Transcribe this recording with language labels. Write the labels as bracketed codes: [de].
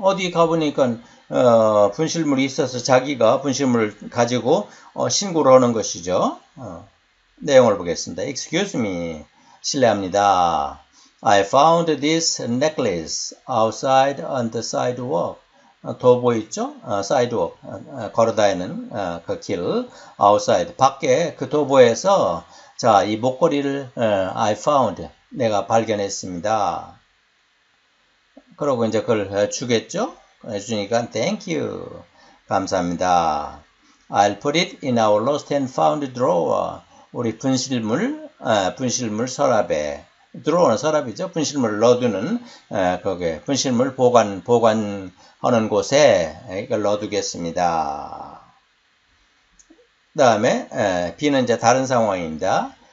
[ko] 어디 가보니까 분실물이 있어서 자기가 분실물을 가지고 신고를 하는 것이죠. 내용을 보겠습니다. [en] Excuse me. [ko] 실례합니다. [en] I found this necklace outside on the sidewalk. [ko] 도보 있죠? sidewalk. 걸어다니는 그 길. outside. 밖에 그 도보에서 자, 이 목걸이를 I found. 내가 발견했습니다. 그러고 이제 그걸 주겠죠? 해주니까 [en] thank you. [ko] 감사합니다. [en] I'll put it in our lost and found drawer. [ko] 우리 분실물 서랍에 들어오는 서랍이죠. 분실물을 넣어두는 거기에 분실물 보관하는 곳에 이걸 넣어두겠습니다. 그다음에 B는 이제 다른 상황입니다.